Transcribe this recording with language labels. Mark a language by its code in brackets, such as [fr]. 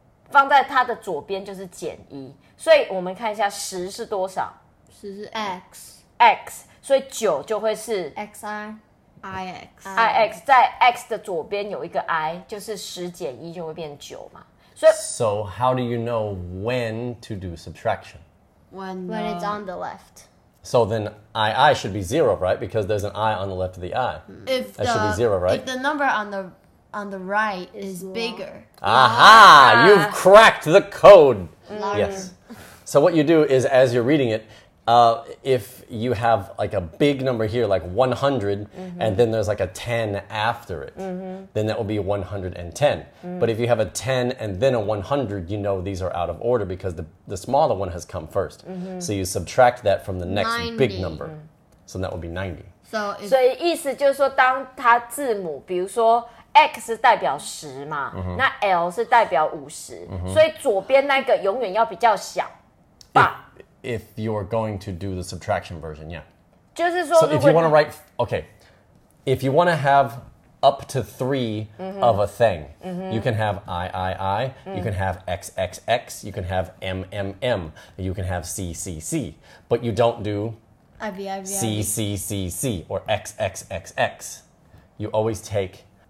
[zh] 放在它的左边就是减一，所以我们看一下十是多少？十是 x，所以九就会是 xi，ix，在 x 的左边有一个 i， 就是十减一就会变九嘛。 [en] So how do you know when to do subtraction? When it's on the left. So then ii should be zero, right? Because there's an i on the left of the i. If that should be zero, right? If the number on the right is bigger. Aha! You've cracked the code! Yes. So what you do is, as you're reading it, if you have like a big number here, like 100, mm-hmm. and then there's like a 10 after it, mm-hmm. then that will be 110. Mm-hmm. But if you have a 10 and then a 100, you know these are out of order because the smaller one has come first. Mm-hmm. So you subtract that from the next 90. Big number. So that would be 90. So [zh] 意思就是说当它字母，比如说X 是代表十嘛、嗯、那 L 是代表五十、嗯、所以左边那个永远要比较小吧。 [en] If you're going to do the subtraction version, yeah. [zh] 就是说 [en] So if you want to write, okay. If you want to have up to three、嗯、of a thing,、嗯、you can have III,、嗯、you can have XXX, you can have MMM, you can have CCC, but you don't do CCCC or XXXX. You always take...